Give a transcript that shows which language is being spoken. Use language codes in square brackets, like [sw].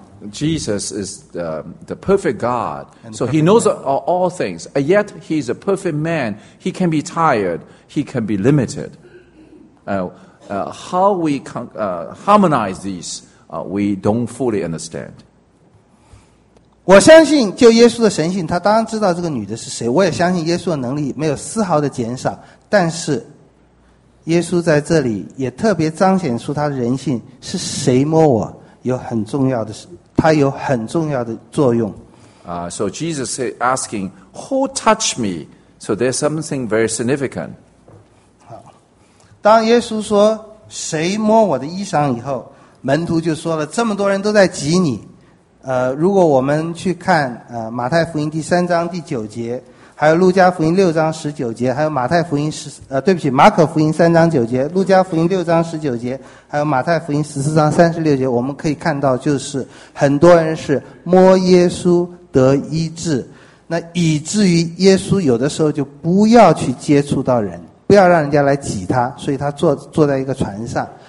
[en] Jesus is the perfect God. So he knows all things. And yet he is a perfect man. He can be tired. He can be limited. How we harmonize these, we don't fully understand. [zh] 我相信就耶稣的神性，他当然知道这个女的是谁。我也相信耶稣的能力没有丝毫的减少。但是耶稣在这里也特别彰显出他的人性，是谁摸我有很重要的事。它有很重要的作用。 [en] So Jesus is asking, "Who touched me?" So there's something very significant. [zh] 当耶稣说“谁摸我的衣裳”以后，门徒就说了：“这么多人都在挤你。” 如果我们去看马太福音第三章第九节，还有路加福音六章十九节，还有马太福音马可福音三章九节，路加福音六章十九节，还有马太福音十四章三十六节，我们可以看到，就是很多人是摸耶稣得医治，那以至于耶稣有的时候就不要去接触到人，不要让人家来挤他，所以他坐在一个船上。